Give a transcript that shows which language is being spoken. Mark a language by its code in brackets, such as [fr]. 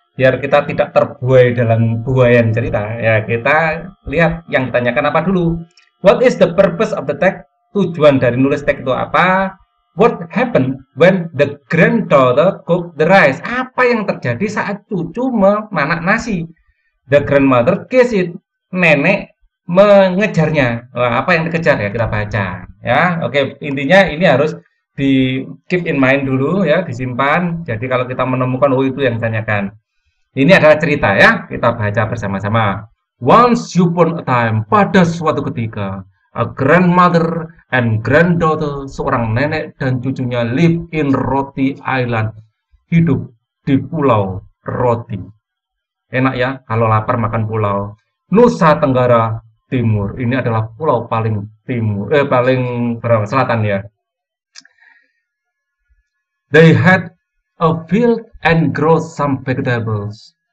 [id] Biar kita tidak terbuai dalam buaian cerita, ya kita lihat yang ditanyakan apa dulu. [en] What is the purpose of the text? [id] Tujuan dari nulis teks itu apa? [en] What happened when the granddaughter cooked the rice? [id] Apa yang terjadi saat cucu memanak nasi? [en] The grandmother kissed it. [id] Nenek mengejarnya. Wah, apa yang dikejar ya? Kita baca. Ya, oke. Intinya ini harus di [en] keep in mind [id] dulu ya, disimpan. Jadi kalau kita menemukan, oh itu yang ditanyakan. Ini adalah cerita ya, kita baca bersama-sama. [en] Once upon a time, [id] pada suatu ketika, [en] a grandmother and granddaughter, [id] seorang nenek dan cucunya [en] live in Roti Island, [id] hidup di pulau Roti. Enak ya, kalau lapar makan pulau. Nusa Tenggara Timur, ini adalah pulau paling timur, paling selatan ya. [en] They had a field and grow some vegetables.